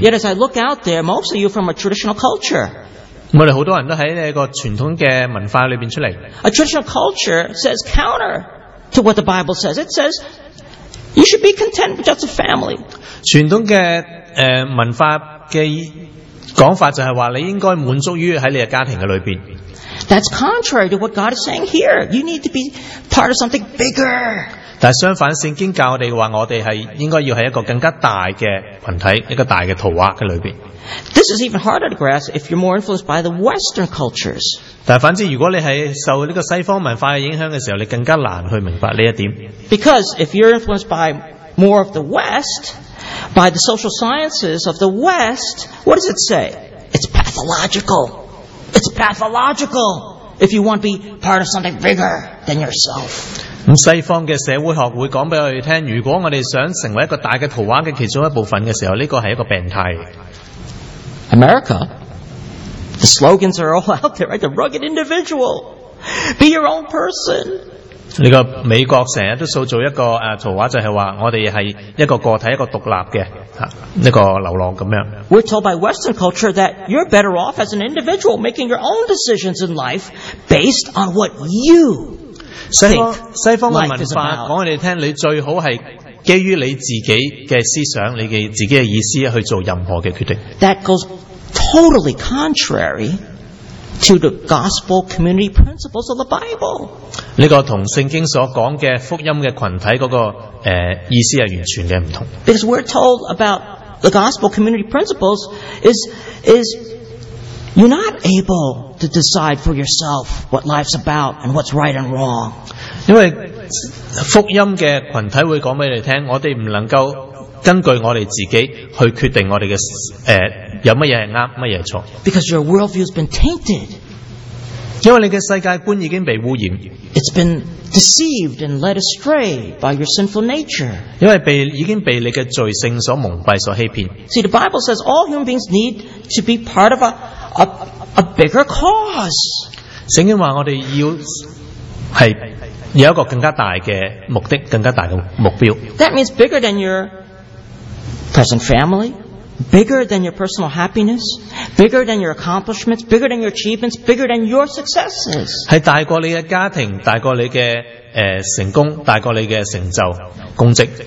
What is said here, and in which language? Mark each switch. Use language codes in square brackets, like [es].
[en] Yet as I look out there, most of you from a traditional culture. [zh] 我们很多人都在一个传统的文化里面出来。 [en] A traditional culture says counter. To what the Bible says. It says, you should be content with just a family. [zh] 传统的文化的讲法就是说你应该满足于在你的家庭的里面。 [en] That's contrary to what God is saying here. You need to be part of something bigger. [zh] 但相反圣经教我们说我们是应该要在一个更加大的群体，一个大的图画的里面。 [en] This is even harder to grasp if you're more influenced by the Western cultures. [zh] 但反之，如果你是受这个西方文化的影响的时候，你更加难去明白这一点。 [en] Because if you're influenced by more of the West, by the social sciences of the West, what does it say? It's pathological. It's pathological if you want to be part of something bigger than yourself. [zh] 西方的社会学会告诉我们，如果我们想成为一个大的图画的其中一部分的时候，这个是一个病态。 [en] America, the slogans are all out there, right? The rugged individual. Be your own person. [zh] 这个美国成日都塑造一个图画，就是说我们是一个个体，一个独立的这个流浪这样。 [en] We're told by Western culture that you're better off as an individual making your own decisions in life based on what you think. [zh] 西方的文化告诉我们，你最好是基于你自己的思想，你自己的意思去做任何的决定。 [en] That goes totally contrary to the gospel community principles of the Bible. [zh] 这个跟圣经所讲的福音的群体那个意思是完全的不同。 [en] Because we're told about the gospel community principles is You're not able to decide for yourself what life's about and what's right and wrong. [zh] 因为福音的群体会告诉你们，我们不能够根据我们自己去决定我们的有什么是对，什么是错。 [en] Because your worldview has been tainted. [zh] 因为你的世界观已经被污染。 [en] It's been deceived and led astray by your sinful nature. [zh] 因为已经被你的罪性所蒙蔽所欺骗。 [en] See, the Bible says all human beings need to be part of a bigger cause. [zh] 圣经说我们要是有一个更加大的目的，更加大的目标。 [en] That means bigger than your present family, bigger than your personal happiness, bigger than your accomplishments, bigger than your achievements, bigger than your successes. [zh] 是大过你的家庭，大过你的成功，大过你的成就、功绩。